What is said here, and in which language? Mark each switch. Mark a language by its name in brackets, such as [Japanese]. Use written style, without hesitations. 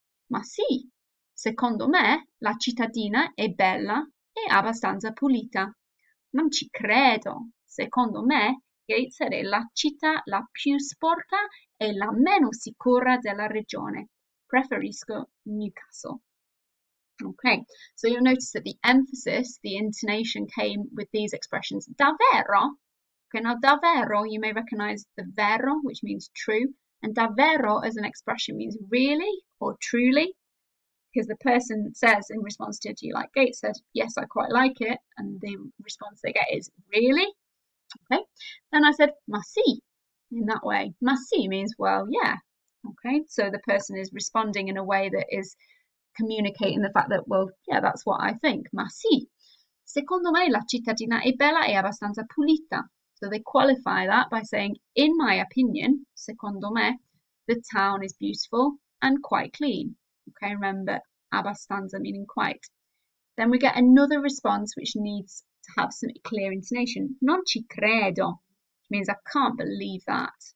[Italian] Ma sì, secondo me la cittadina è bella e abbastanza pulita. Non ci credo. Secondo me, Gateshead è la città la più sporca e la meno sicura della regione. Preferisco Newcastle. [English] Ok, so you'll notice that the emphasis, the intonation came with these expressions. [Italian] Davvero? [English] Okay, now davvero, you may recognize the vero, which means true, and davvero as an expression means really or truly, because the person says in response to, do you like Gateshead? Yes, I quite like it, and the response they get is really. Okay, then I said [Italian] ma sì [English] in that way. Ma sì means well, yeah. Okay, so the person is responding in a way that is communicating the fact that, well, yeah, that's what I think. [Italian] Ma sì. Secondo me la cittadina è bella e abbastanza pulita. [English] So they qualify that by saying, in my opinion, [Italian] secondo me, [English] the town is beautiful and quite clean. Okay, remember, abbastanza meaning quite. Then we get another response which needs to have some clear intonation. [Italian] Non ci credo, [English] which means I can't believe that.